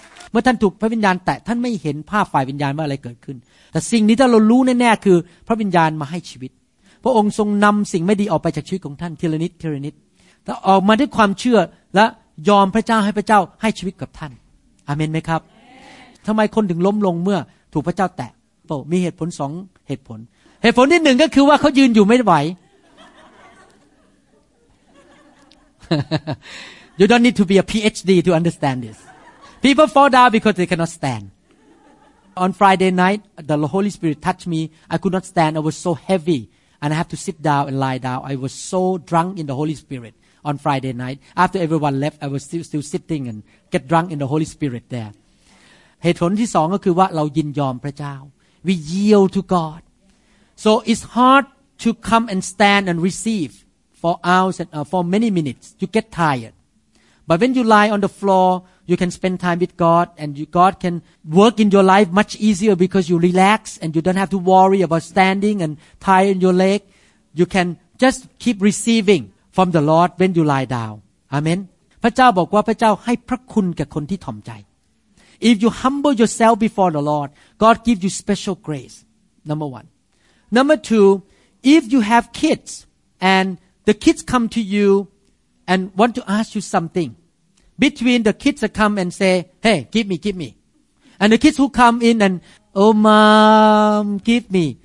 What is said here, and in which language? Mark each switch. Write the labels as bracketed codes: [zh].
[th] เมื่อท่านถูกพระวิญญาณแตะท่านไม่เห็นภาพฝ่ายวิญญาณว่าอะไรเกิดขึ้นแต่สิ่งนี้ถ้าเรารู้แน่ๆคือพระวิญญาณมาให้ชีวิตพระองค์ทรงนำสิ่งไม่ดีออกไปจากชีวิตของท่านทีละนิดทีละนิดแล้วออกมาด้วยความเชื่อและยอมพระเจ้าให้พระเจ้าให้ชีวิตกับท่านอาเมนไหมครับทำไมคนถึงล้มลงเมื่อถูกพระเจ้าแตะโป้มีเหตุผลสองเหตุผลเหตุผลที่หนึ่งก็คือว่าเขายืนอยู่ไม่ไหว [en] You don't need to be a PhD to understand this People fall down because they cannot stand. On Friday night, the Holy Spirit touched me. I could not stand. I was so heavy. And I have to sit down and lie down. I was so drunk in the Holy Spirit on Friday night. After everyone left, I was still sitting and get drunk in the Holy Spirit there. [th] เหตุผลที่สองก็คือว่าเรายินยอมพระเจ้า [en] We yield to God. So it's hard to come and stand and receive for hours and for many minutes. You get tired. But when you lie on the floor, you can spend time with God and God can work in your life much easier because you relax and you don't have to worry about standing and tiring your leg. You can just keep receiving from the Lord when you lie down. Amen. [th] พระเจ้าบอกว่าพระเจ้าให้พระคุณแก่คนที่ถ่อมใจ [en] If you humble yourself before the Lord, God gives you special grace. Number one. Number two, if you have kids and the kids come to you and want to ask you something, between the kids that come and say, hey, give me. And the kids who come in and, oh, mom, give me.